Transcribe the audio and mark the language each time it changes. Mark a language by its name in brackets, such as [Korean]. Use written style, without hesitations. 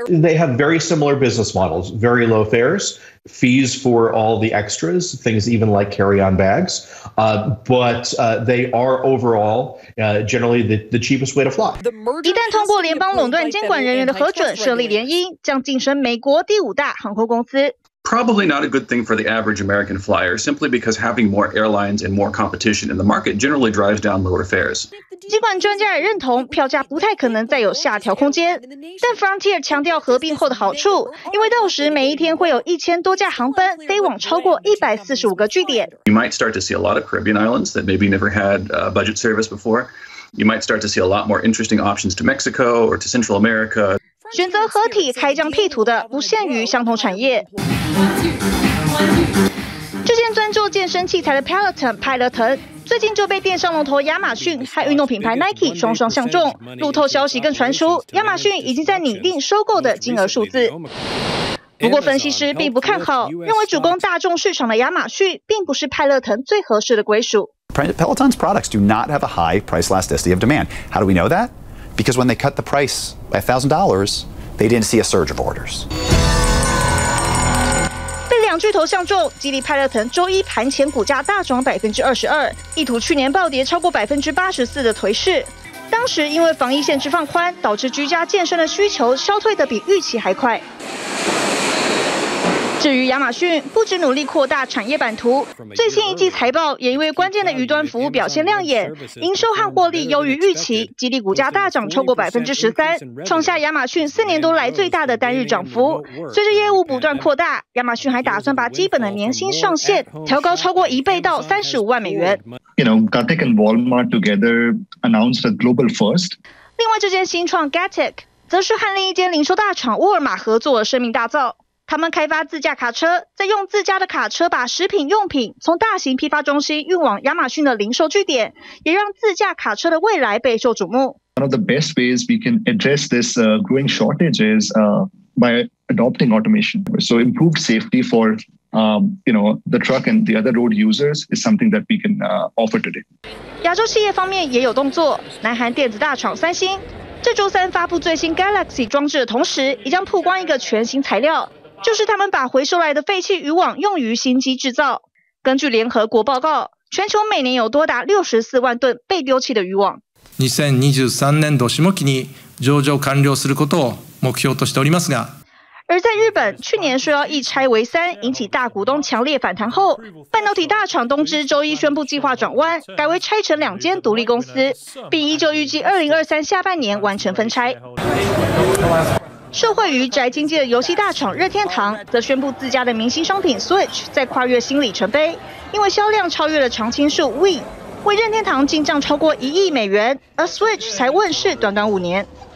[English] They have very similar business models, very low fares, fees for all the extras, things even like carry-on bags, they are overall generally the cheapest way to fly. [Chinese] 一旦通过联邦垄断监管人员的核准，设立联姻，将晋升美国第五大航空公司。 [English] Probably not a good thing for the average American flyer, simply because having more airlines and more competition in the market generally drives down lower fares. [Chinese] 尽管专家也认同票价不太可能再有下调空间，但 Frontier 强调合并后的好处，因为到时每一天会有1000多架航班飞往超过145个据点。 [English] You might start to see a lot of Caribbean islands that maybe never had budget service before. You might start to see a lot more interesting options to Mexico or to Central America. [Chinese] 选择合体开疆辟土的不限于相同产业。这间专注健身器材的 Peloton 派乐腾，最近就被电商龙头亚马逊和运动品牌 Nike 双双相中。路透消息更传出，亚马逊已经在拟定收购的金额数字。不过分析师并不看好，认为主攻大众市场的亚马逊并不是派乐腾最合适的归属。 [English] Peloton's products do not have a high price elasticity of demand. How do we know that? Because when they cut the price by $1,000, they didn't see a surge of orders. [Chinese] 被两巨头相中，吉利派乐腾周一盘前股价大涨22%，意图去年暴跌超过84%的颓势。当时因为防疫限制放宽，导致居家健身的需求消退得比预期还快。至于亚马逊，不止努力扩大产业版图，最新一季财报也因为关键的云端服务表现亮眼，营收和获利优于预期，激励股价大涨超过13%，创下亚马逊4年多来最大的单日涨幅。随着业务不断扩大，亚马逊还打算把基本的年薪上限调高超过一倍到35万美元。 [English] You know, Gatek and Walmart together announced a global first. [Chinese] 另外，这间新创 Gatek 则是和另一间零售大厂沃尔玛合作，声名大噪。他们开发自驾卡车，再用自家的卡车把食品用品从大型批发中心运往亚马逊的零售据点，也让自驾卡车的未来备受瞩目。 [English] one of the best ways we can address this growing shortage is by adopting automation. So improved safety for the truck and the other road users is something that we can offer today. [Chinese] 亚洲企业方面也有动作，南韩电子大厂三星这周三发布最新 Galaxy 装置的同时，也将曝光一个全新材料，就是他们把回收来的废弃渔网用于新机制造。根据联合国报告，全球每年有多达64万吨被丢弃的渔网。 [Japanese] 2023年度下期に上場完了することを目標としておりますが。 [Chinese] 而在日本，去年说要一拆为三，引起大股东强烈反弹后，半导体大厂东芝周一宣布计划转弯，改为拆成两间独立公司，并依旧预计2023下半年完成分拆。受惠于宅经济的游戏大厂任天堂，则宣布自家的明星商品 Switch 在跨越新里程碑，因为销量超越了常青树 Wii， 为任天堂进账超过1亿美元，而 Switch 才问世短短5年。